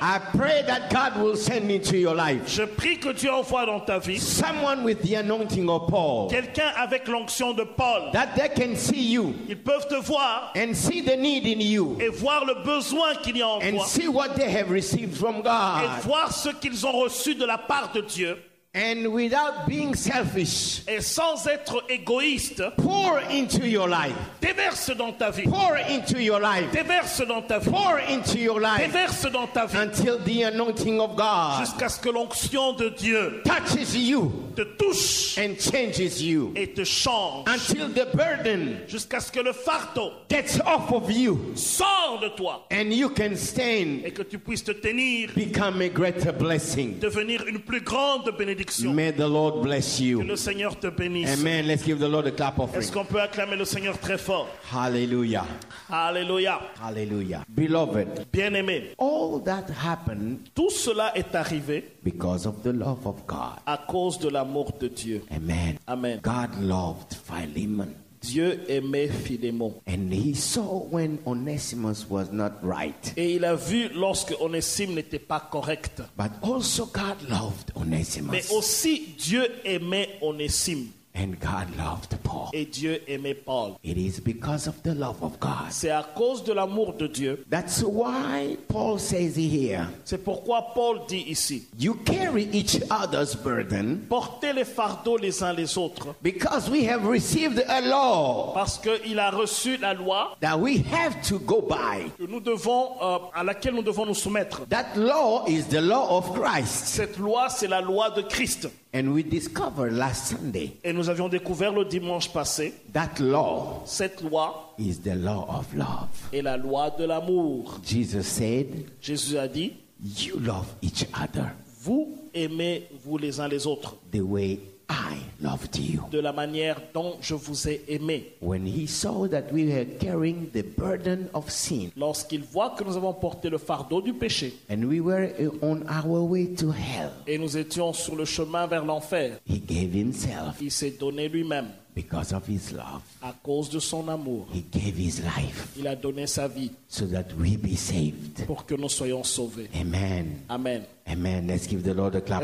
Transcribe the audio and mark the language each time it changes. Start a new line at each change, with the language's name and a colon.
English: I pray that God will send me to your life.
French: Je prie que Dieu envoie dans ta vie.
English: Someone with the anointing of Paul.
French: Quelqu'un avec l'onction de Paul.
English: That they can see you.
French: Ils peuvent te voir.
English: And see the need in you.
French: Et voir le besoin qu'il y a en
English: and
French: toi.
English: And see what they have received from God.
French: Et voir ce qu'ils ont reçu de la part de Dieu.
English: And without being selfish,
French: et sans être égoïste,
English: pour into your life,
French: déverse dans ta vie,
English: pour into your life,
French: déverse dans ta vie,
English: pour into your life,
French: déverse dans ta vie,
English: until the anointing of God,
French: jusqu'à ce que l'onction de Dieu
English: touches you,
French: te touche,
English: and changes you,
French: et te change,
English: until the burden,
French: jusqu'à ce que le fardeau
English: gets off of you,
French: sort de toi,
English: and you can stand,
French: et que tu puisses te tenir,
English: become a greater blessing,
French: devenir une plus grande bénédiction.
English: May the Lord bless you.
French: Que le Seigneur te bénisse.
English: Amen. Let's give the Lord a clap offering.
French: Est-ce qu'on peut acclamer le Seigneur très fort?
English: Hallelujah.
French: Hallelujah.
English: Hallelujah. Beloved.
French: Bien-aimé.
English: All that happened.
French: Tout cela est arrivé.
English: Because of the love of God.
French: À cause de l'amour de Dieu.
English: Amen.
French: Amen.
English: God loved Philemon.
French: Dieu aimait Philémon.
English: And he saw when Onesimus was not right.
French: Et il a vu lorsque Onésime n'était pas correct.
English: But also God loved Onesimus.
French: Mais aussi Dieu aimait Onésime.
English: And God loved Paul.
French: Et Dieu aimait Paul.
English: It is because of the love of God.
French: C'est à cause de l'amour de Dieu.
English: That's why Paul says here.
French: C'est pourquoi Paul dit ici.
English: You carry each other's burden.
French: Portez les fardeaux les uns les autres.
English: Because we have received a law.
French: Parce que il a reçu la loi.
English: That we have to go by.
French: Que nous devons à laquelle nous devons nous soumettre.
English: That law is the law of Christ.
French: Cette loi c'est la loi de Christ.
English: And we discovered last Sunday.
French: Et nous avions découvert le dimanche passé.
English: That law.
French: Cette loi.
English: Is the law of love.
French: Et la loi de l'amour.
English: Jesus said.
French: Jésus a dit.
English: You love each other.
French: Vous aimez vous les uns les autres.
English: The way I loved you.
French: De la manière dont je vous ai aimé.
English: When he saw that we were carrying the burden of sin.
French: Lorsqu'il voit que nous avons porté le fardeau du péché.
English: And we were on our way to hell.
French: Et nous étions sur le chemin vers l'enfer.
English: He gave himself.
French: Il s'est donné lui-même.
English: Because of his love.
French: À cause de son amour.
English: He gave his life.
French: Il a donné sa vie.
English: So that we be saved.
French: Pour que nous soyons sauvés.
English: Amen.
French: Amen.
English: Amen. Let's give the Lord a clap.